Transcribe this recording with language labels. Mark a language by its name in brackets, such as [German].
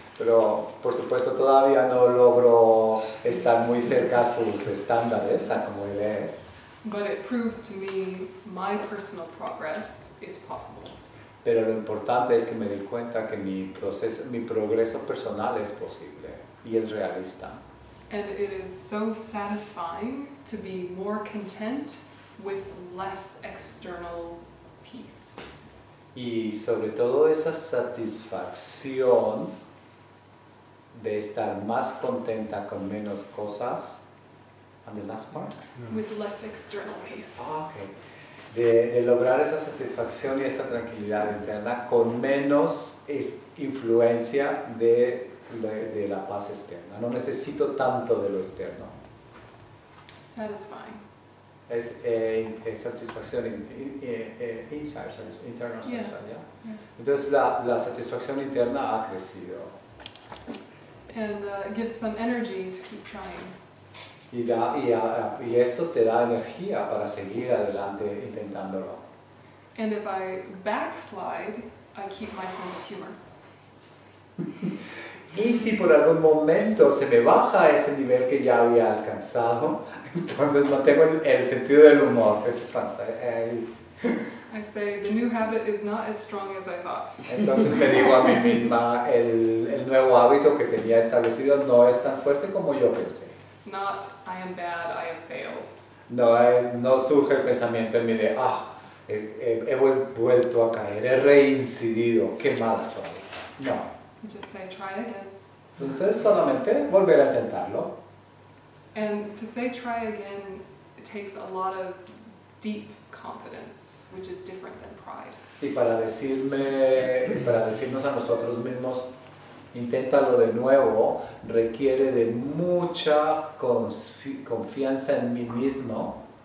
[Spanish] Pero por supuesto todavía no logro estar muy cerca a sus estándares, a como él es. [English] But it proves to me my personal progress is possible. [Spanish] Pero lo importante es que me di cuenta que mi proceso, mi progreso personal es posible y es realista. [English] And it is so satisfying to be more content with less external peace. [Spanish] Y sobre todo esa satisfacción de estar más contenta con menos cosas. [English] And the last part? Mm. With less external peace. Ah, okay. [Spanish] De lograr esa satisfacción y esa tranquilidad interna con menos influencia de la paz externa. No necesito tanto de lo externo. [English] Satisfying. [Spanish] Es satisfacción internal satisfacción. Yeah. Yeah? Yeah. Entonces la satisfacción interna ha crecido. [English] And gives some energy to keep trying. [Spanish] Y esto te da energía para seguir adelante intentándolo. [English] And if I backslide, I keep my sense of humor. [Spanish] Y si por algún momento se me baja ese nivel que ya había alcanzado, entonces no tengo el sentido del humor. Eso es fantástico. [English] I say, the new habit is not as strong as I thought. [Spanish] Entonces me digo a mí misma, el nuevo hábito que tenía establecido no es tan fuerte como yo pensé. [English] Not, I am bad, I have failed. [Spanish] No surge el pensamiento en mí de, he vuelto a caer, he reincidido, qué mala soy. No. [English] Just say try again. [Spanish] Entonces solamente volver a intentarlo. [English] And to say try again takes a lot of deep confidence, which is different than pride. [Spanish] Y para decirme, para decirnos a nosotros mismos, inténtalo de nuevo, requiere de mucha confianza en mí mismo.